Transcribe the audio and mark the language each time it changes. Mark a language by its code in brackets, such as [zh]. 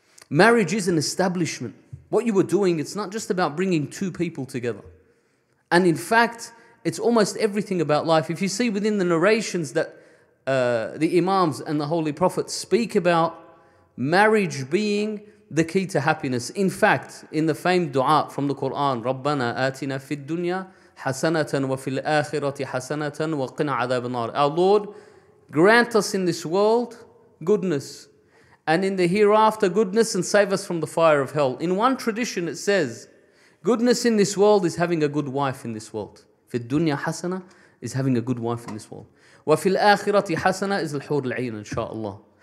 [en] Marriage is an establishment. What you were doing, it's not just about bringing two people together. And in fact, it's almost everything about life. If you see within the narrations that the Imams and the Holy Prophet speak about marriage being the key to happiness. In fact, in the famed dua from the Quran, [ar] رَبَّنَا آتِنَا فِي الدُّنْيَا حَسَنَةً وَفِي الْآخِرَةِ حَسَنَةً وَقِنَ عَذَابَ النَّارِ. [en] Our Lord, grant us in this world goodness and in the hereafter goodness and save us from the fire of hell. In one tradition it says, goodness in this world is having a good wife in this world. [ar] فِي الدُّنْيَا حَسَنَةً [en] is having a good wife in this world. [ar] وَفِي الْآخِرَةِ حَسَنَةً [en] is [ar] الْحُورِ الْعِينَ إن شاء الله.